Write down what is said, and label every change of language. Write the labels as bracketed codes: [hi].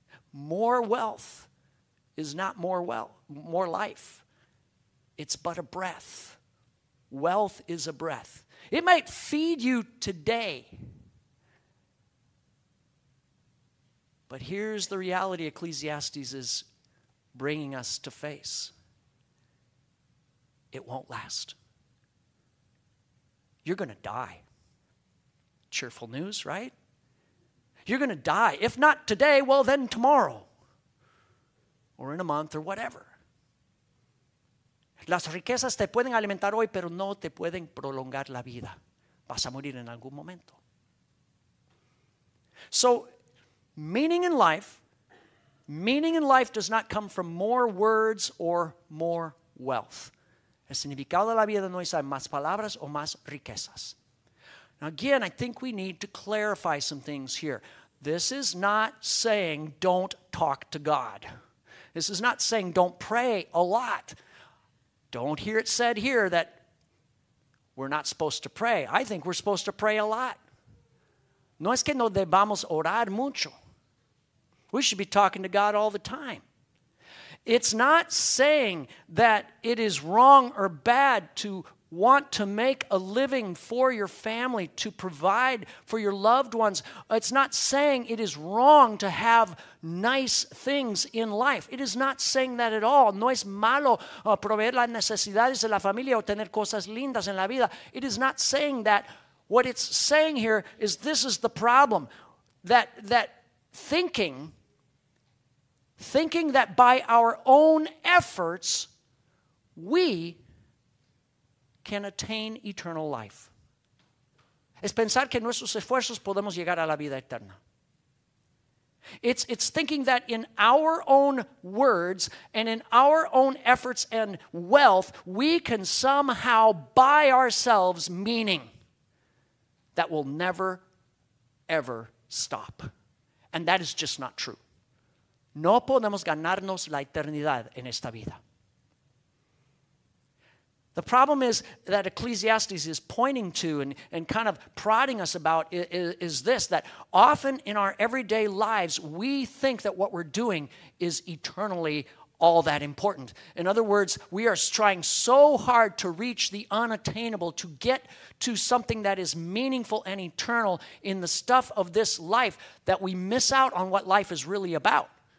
[en] More wealth is not more wealth, more life. It's but a breath. Wealth is a breath. It might feed you today. But here's the reality Ecclesiastes is bringing us to face. It won't last. You're going to die. Cheerful news, right? You're going to die. If not today, well, then tomorrow. Or in a month or whatever. [es] Las riquezas te pueden alimentar hoy, pero no te pueden prolongar la vida. Vas a morir en algún momento. [en] So, meaning in life does not come from more words or more wealth. [es] El significado de la vida no es más palabras o más riquezas. [en] Now, again, I think we need to clarify some things here. This is not saying don't talk to God. This is not saying don't pray a lot. Don't hear it said here that we're not supposed to pray. I think we're supposed to pray a lot. [es] No es que no debamos orar mucho. [en] We should be talking to God all the time. It's not saying that it is wrong or bad to want to make a living for your family, to provide for your loved ones. It's not saying it is wrong to have nice things in life. It is not saying that at all. [es] No es malo proveer las necesidades de la familia o tener cosas lindas en la vida. [en] It is not saying that. What it's saying here is this is the problem, that thinking that by our own efforts, we can attain eternal life. [es] Es pensar que nuestros esfuerzos podemos llegar a la vida eterna. [en] It's thinking that in our own words and in our own efforts and wealth, we can somehow buy ourselves meaning that will never, ever stop. And that is just not true. [es] No podemos ganarnos la eternidad en esta vida. [en] The problem is that Ecclesiastes is pointing to and kind of prodding us about is this, that often in our everyday lives, we think that what we're doing is eternally all that important. In other words, we are trying so hard to reach the unattainable, to get to something that is meaningful and eternal in the stuff of this life, that we miss out on what life is really about.